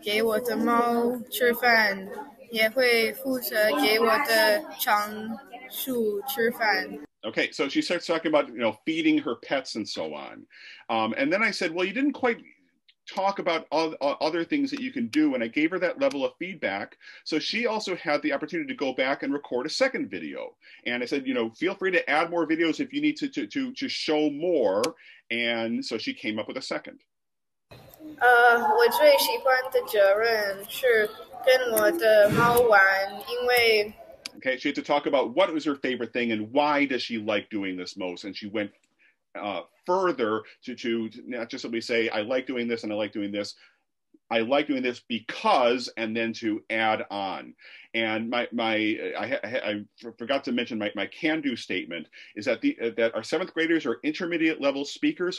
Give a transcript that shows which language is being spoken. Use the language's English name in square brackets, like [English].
[Chinese] 我每天晚上负责给我的猫吃饭, 也会负责给我的仓鼠吃饭. [English] Okay, so she starts talking about, you know, feeding her pets and so on. And then I said, well, you didn't quite talk about other things that you can do, and I gave her that level of feedback. So she also had the opportunity to go back and record a second video. And I said, you know, feel free to add more videos if you need to show more. And so she came up with a second. [Chinese] 我最喜欢的责任是跟我的猫玩, 因为... [English] Okay, she had to talk about what was her favorite thing and why does she like doing this most, and she went further to not just simply say, I like doing this and I like doing this. I like doing this because, and then to add on. And I forgot to mention my can-do statement is that that our seventh graders are intermediate level speakers.